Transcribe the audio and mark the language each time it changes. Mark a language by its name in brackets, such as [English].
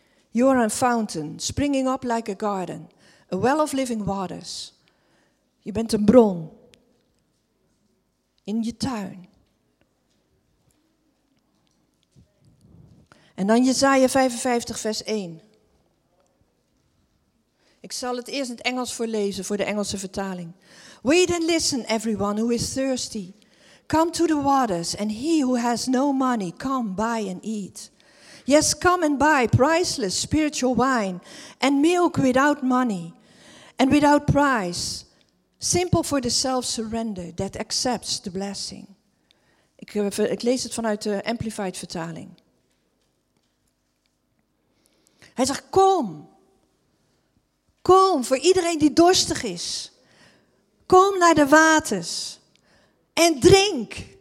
[English] You are a fountain, springing up like a garden, a well of living waters. [Dutch] Je bent een bron in je tuin. En dan Jesaja 55 vers 1. Ik zal het eerst in het Engels voorlezen, voor de Engelse vertaling. [English] Wait and listen, everyone who is thirsty. Come to the waters, and he who has no money, come buy and eat. Yes, come and buy priceless spiritual wine and milk without money and without price. Simple for the self-surrender that accepts the blessing. [Dutch] Ik lees het vanuit de Amplified vertaling. Hij zegt, kom. Kom voor iedereen die dorstig is. Kom naar de waters. En drink.